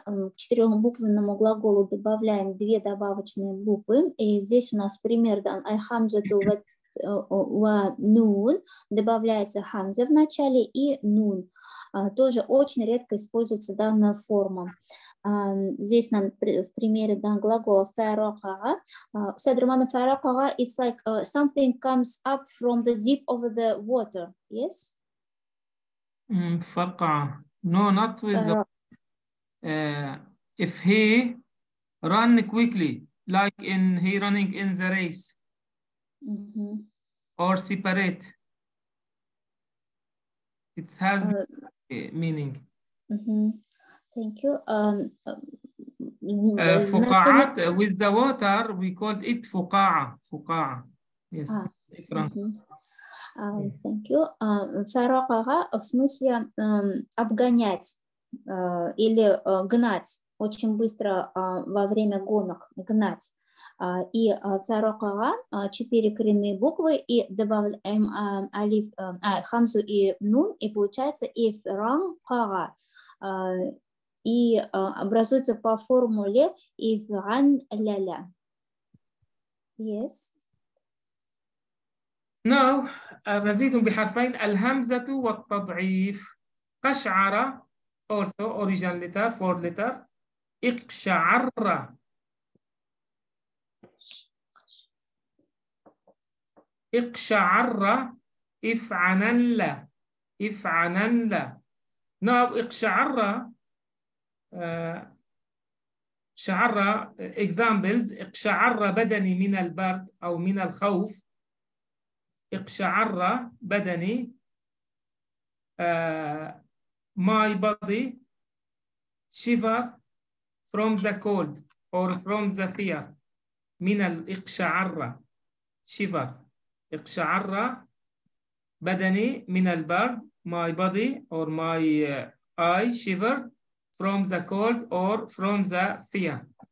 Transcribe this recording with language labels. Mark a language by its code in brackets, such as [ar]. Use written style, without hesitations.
[ru] К четырехбуквенному глаголу добавляем две добавочные буквы. И здесь у нас пример дан айхамзату ва нун. Добавляется хамза в начале и нун. Тоже очень редко используется данная форма. Здесь нам в примере дан глагол фарога. [en] Садрумана фарога, it's like something comes up from the deep of the water. Yes? Фарога. No, not with the... if he run quickly, like in he running in the race. Mm-hmm. Or separate. It has meaning. Mm-hmm. Thank you. Fuqa'at, with the water, we called it fuqa'a. Fuqa'a. Yes. Mm-hmm. Thank you. [ru] Фарога, в смысле обгонять или гнать очень быстро во время гонок. Гнать. И фарога, четыре коренные буквы, и добавляем алиф, хамзу и нун, и получается и фарога. И образуется по формуле и фан ля-ля. [en] Yes. Now, [ar] مزيد بحرفين الهمزة والتضعيف قشعر [en] also original letter, four letter [ar] اقشعر اقشعر افعننلا افعننلا. [en] Now [ar] اقشعر شعر [en] examples [ar] اقشعر بدني من البرد او من الخوف. اقشعر بدني [en] my body shiver from the cold or from the fear. [ar] من الاقشعر [en] shiver [ar] اقشعر بدني من البرد [en] my body or my eye shiver from the cold or from the fear.